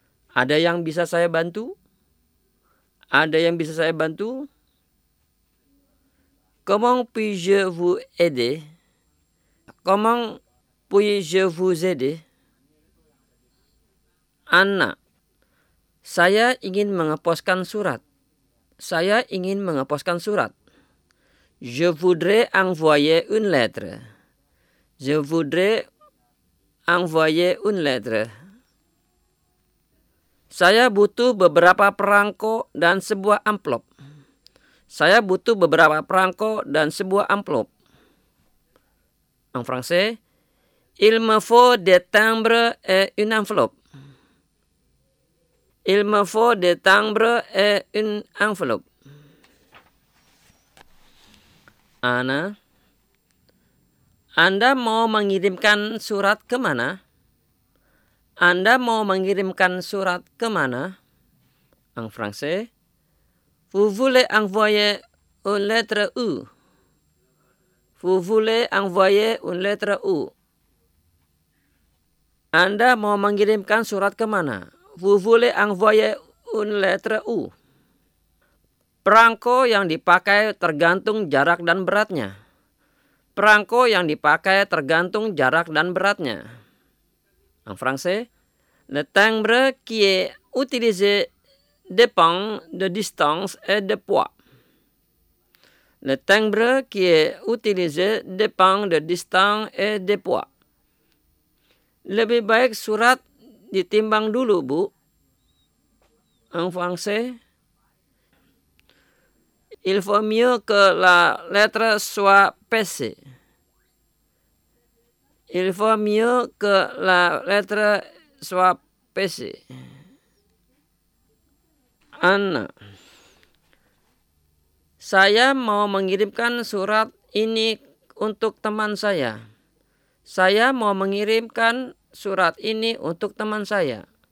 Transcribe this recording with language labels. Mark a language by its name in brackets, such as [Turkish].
[Indonesian] Ada yang bisa saya bantu? Ada yang bisa saya bantu? [French] Comment puis-je vous aider? Comment puis-je vous aider? [Indonesian] Anna, saya ingin mengeposkan surat. Saya ingin mengeposkan surat. [French] Je voudrais envoyer une lettre. Je voudrais envoyer une lettre. [Indonesian] Saya butuh beberapa perangko dan sebuah amplop. Saya butuh beberapa perangko dan sebuah amplop. [French] En français, il me faut des timbres et une enveloppe. Il me faut des timbres et une enveloppe. [Indonesian] Anna, Anda mau mengirimkan surat ke mana? Anda mau mengirimkan surat ke mana? [French] En français, vous voulez envoyer une lettre où? Vous voulez envoyer une lettre où? [Indonesian] Anda mau mengirimkan surat ke mana? [French] Vous voulez envoyer une lettre où? [Indonesian] Perangko yang dipakai tergantung jarak dan beratnya. Perangko yang dipakai tergantung jarak dan beratnya. [French] En français, le timbre qui est utilisé dépend de distance et de poids. Le timbre qui est utilisé dépend de distance et de poids. [Indonesian] Lebih baik surat ditimbang dulu, Bu. [French] En français, il vaut mieux que la lettre soit pesée. Il vaut mieux que la lettre soit pesée. [Indonesian] Anna, saya mau mengirimkan surat ini untuk teman saya. Saya mau mengirimkan surat ini untuk teman saya.